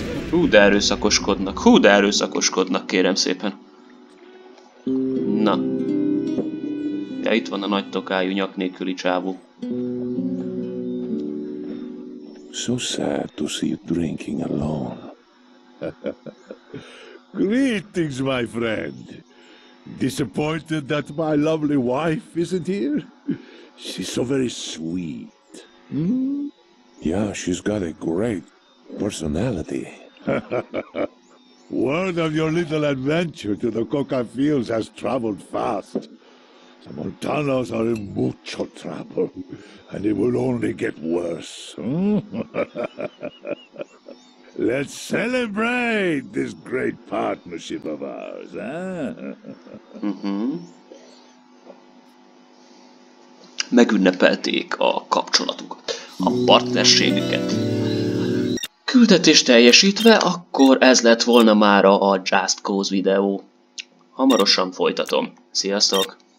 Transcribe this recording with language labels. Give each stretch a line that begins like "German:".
Hungarian: Hú, de erőszakoskodnak. Hú, de erőszakoskodnak, kérem szépen. Na. Ja, itt van a nagy tokájú nyak nélküli csávú.
English: So sad to see you drinking alone. Greetings, my friend. Disappointed that my lovely wife isn't here? She's so very sweet. Hmm? Yeah, she's got a great personality. Word of your little adventure to the Coca Fields has traveled fast. The Montanos are in mucho trouble, and it will only get worse. Let's celebrate this great partnership of ours, eh? Mm-hmm.
Hungarian: Megünnepelték a kapcsolatukat, a partnerségüket. Küldetés teljesítve, akkor ez lett volna már a Just Cause videó. Hamarosan folytatom. Sziasztok!